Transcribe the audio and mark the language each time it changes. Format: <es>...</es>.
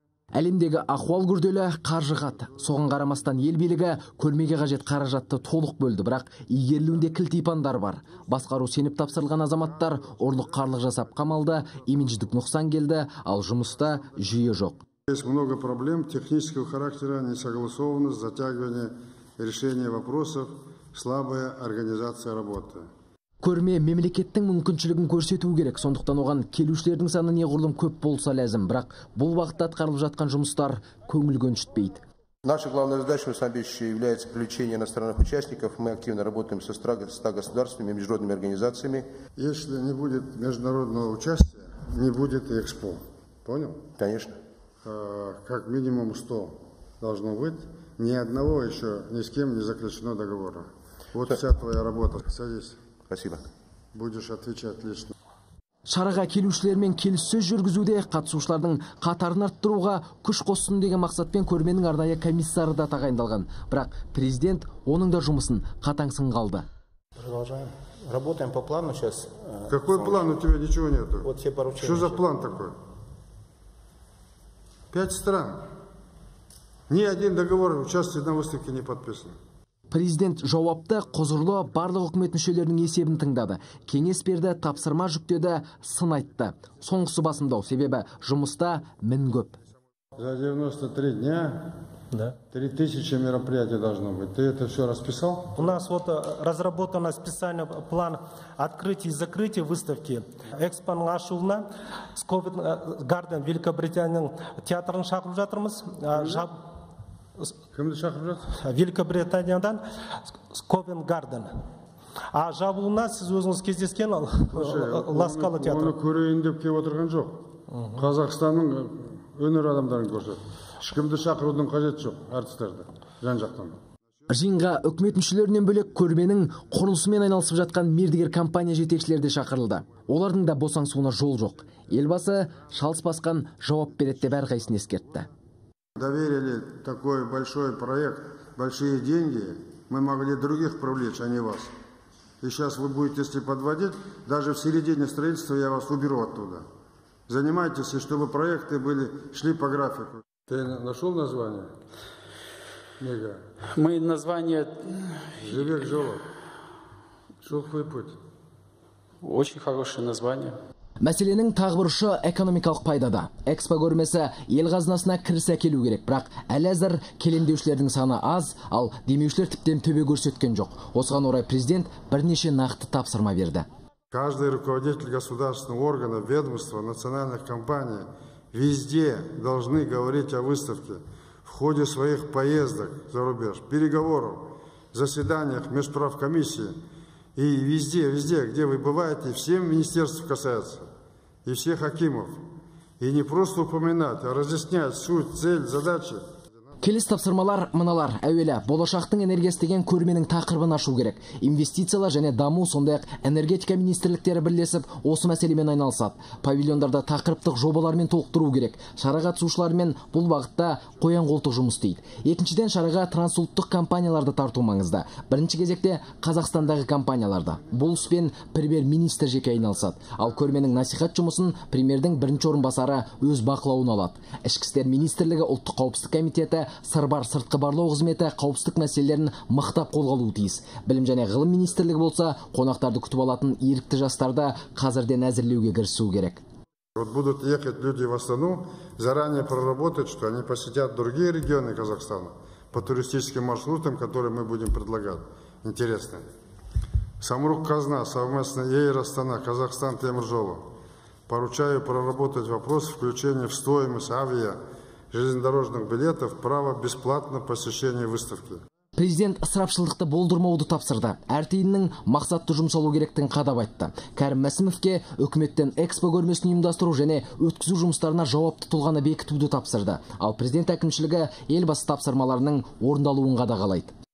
<kk>Әлемдегі ахуал күрделі, қаржы қат. Соған қарамастан ел билігі көрмеге қажет қаражатты толық бөлді, бірақ игерілуінде кілтипандар бар. Басқару сеніп тапсырылған азаматтар ұрлық қарлық жасап қамалды, имидждік нұқсан келді, ал жұмыста жүйе жоқ.</kk> <ru>Есть много проблем технического характера, несогласованность, затягивание решения вопросов, слабая организация работы.</ru> <kk>Көрме мемлекеттің мүмкіншілігін көрсету керек, сондықтан оған келушілердің саны неғұрлым көп болса ләзім, бірақ бұл уақытта атқарылып жатқан жұмыстар көңіл көншітпейді.</kk> <ru>Наша главная задача на самом деле является привлечение иностранных участников. Мы активно работаем со 100 государствами, международными организациями. Если не будет международного участия, не будет Экспо. Понял? Конечно. Как минимум 100 должно быть, ни одного еще ни с кем не заключено договора. Вот вся твоя работа. Садись. Спасибо. Будешь отвечать лично.</ru> <kk>Шараға келушілермен келіссөз жүргізуде қатысушылардың қатарын арттыруға күш қоссын деген мақсатпен көрменің арнайы комиссары да тағайындалған. Бірақ президент оның да жұмысын қатаң сынға алды.</kk> <ru>Продолжаем. Работаем по плану сейчас. Какой план? У тебя ничего нету. Вот все поручения. Что за план такой? Пять стран. Ни один договор участия на выставке не подписан.</ru> <kk>Президент жауапты, құзырлы барлық үкімет мүшелерінің есебін тыңдады. Кеңес берді, тапсырма жүктеді, сын айтты. Соңғысы басымдау, себебі жұмыста мін көп.</kk> <ru>За 93 дня, да. 3000 мероприятий должно быть. Ты это все расписал? У нас вот разработан специальный план открытия и закрытия выставки. Экспо Лашуна, Сковид Гарден, Великобритания, театр Шахов Жатрмас, Жаб...</ru> <kk>Кімді шақырып жатырсыз? Великобританиядан Сковен Гарден. А жабуына сіз өзіңіз кездескен ал, Ласкалы театр. Оны көрейін деп келіп отырған жоқ. Қазақстанның өнер адамдарын көрсетті. Ешкімді шақырудың қажеті жоқ әртістерді жан жақтан. Жиынға үкімет мүшелерінен бөлек көрменің құрылысымен айналысып жатқан мердігер компания жетекшілері де шақырылды. Олардың да босаңсуына жол жоқ. Елбасы шалыс басқан жауап береді деп әрқайсысын ескертті.</kk> <ru>Доверили такой большой проект, большие деньги, мы могли других привлечь, а не вас. И сейчас вы будете, если подводить, даже в середине строительства я вас уберу оттуда. Занимайтесь, и чтобы проекты были, шли по графику. Ты нашел название? Мега. Мы название... Живек Жолов. Шухвый путь. Очень хорошее название.</ru> <kk>Мәселенің тағы бір ұшы экономикалық пайдада. Экспо көрмесі ел қазынасына кіріс әкелу керек, бірақ әлі әзір келемдеушілердің саны аз, ал демеушілер тіптен төбе көрсеткен жоқ. Осыған орай президент бірнеше нақты тапсырма берді.</kk> <ru>Каждый руководитель государственного органа, ведомства, национальных компаний везде должны говорить о выставке в ходе своих поездок за рубеж, переговоров, заседаниях межправкомиссии. И везде, везде, где вы бываете, всем министерствам касается, и всех акимов. И не просто упоминать, а разъяснять суть, цель, задачи.</ru> <kk>Келес тапсырмалар мыналар. Әуелі, болашақтың энергиясы деген көрменің тақырыбын ашу керек. Инвестициялар және даму сондай-ақ энергетика министрліктері бірлесіп осы мәселемен айналысады. Павильондарда тақырыптық жобалармен толықтыру керек. Шараға қатысушылармен бұл бағытта қоян-қолтық жұмыс істейді. Екіншіден шараға трансұлттық компанияларды тарту маңызды. Бірінші кезекте Қазақстандағы компанияларды. Бұл іспен премьер-министр жеке айналысады. Ал көрменің насихат жұмысын премьердің бірінші орынбасары өз бақылауына алады. Ішкі істер министрлігі ұлттық қауіпсіздік комитеті Сырбар сыртқы барлау қызметі қауіпсіздік мәселелерін мықтап қолға алуы тиіс. Білім және ғылым министрлігі болса, қонақтарды күтіп алатын ерікті жастарды қазірден әзірлеуге кірісу керек.</kk> <ru>Вот будут ехать люди в Астану, заранее проработать, что они посетят другие регионы Казахстана по туристическим маршрутам, которые мы будем предлагать. Интересно. Самрук-Казна, совместно Эйр-Астана, Казахстан-Теміржоло. Поручаю проработать вопрос включения в стоимость авиа железнодорожных билетов права бесплатно посещения выставки.</ru> <kk>Президент ысырапшылдықты болдырмауды тапсырды. Әр тиынның мақсатты жұмсалу керектігін қадап айтты. Кәрім Мәсімовке үкіметтен экспо көрмесін ұйымдастыру және өткізу жұмыстарына жауапты тұлғаны бекітуді тапсырды. Ал президент әкімшілігі елбасы тапсырмаларының орындалуын қадағалайды.</kk>